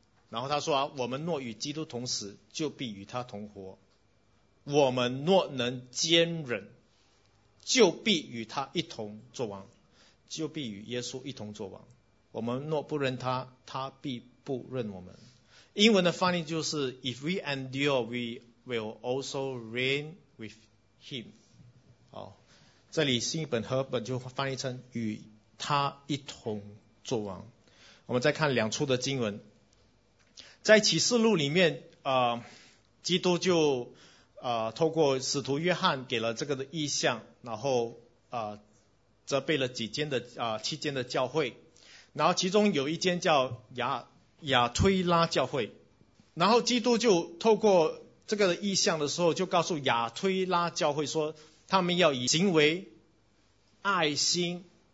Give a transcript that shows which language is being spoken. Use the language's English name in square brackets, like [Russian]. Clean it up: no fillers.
[Chinese] 然后他说啊，我们若与基督同死，就必与他同活；我们若能坚忍，就必与他一同作王，就必与耶稣一同作王。我们若不认他，他必不认我们。英文的翻译就是 [English] If we endure, we will also reign with him。 [Chinese] 哦，这里新本和本就翻译成与他一同作王。我们再看两处的经文，在启示录里面，基督就透过使徒约翰给了这个的意象，然后责备了七间的教会，然后其中有一间叫亚推拉教会，然后基督就透过这个意象的时候，就告诉亚推拉教会说，他们要以行为、爱心、